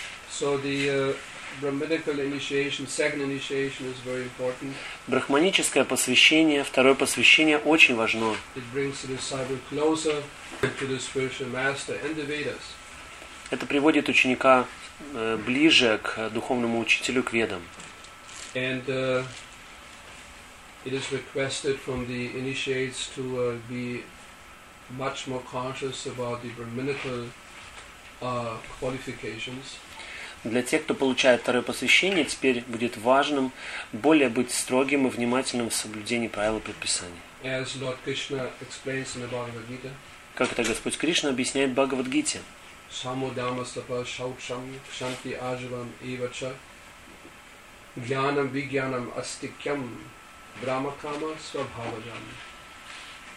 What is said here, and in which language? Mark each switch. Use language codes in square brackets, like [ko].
[en] So the brahminical initiation, second initiation is very important. [ru] Брахманическое посвящение, второе посвящение очень важно. [en] It brings the disciple closer to the spiritual master and the Vedas. [ru] Это приводит ученика ближе к духовному учителю, к Ведам. [en] And it is requested from the initiates to be much more conscious about the brahminical qualifications. [ru] Для тех, кто получает второе посвящение, теперь будет важным более быть строгим и внимательным в соблюдении правил и предписаний. [en] As Lord Krishna explains in the Bhagavad Gita. [ru] Как это Господь Кришна объясняет в Бхагавадгите? [sa] Само дама стапа шаучам шанти ажвам ивача гьянам вигьянам астикьям брамакама свабхаваджам.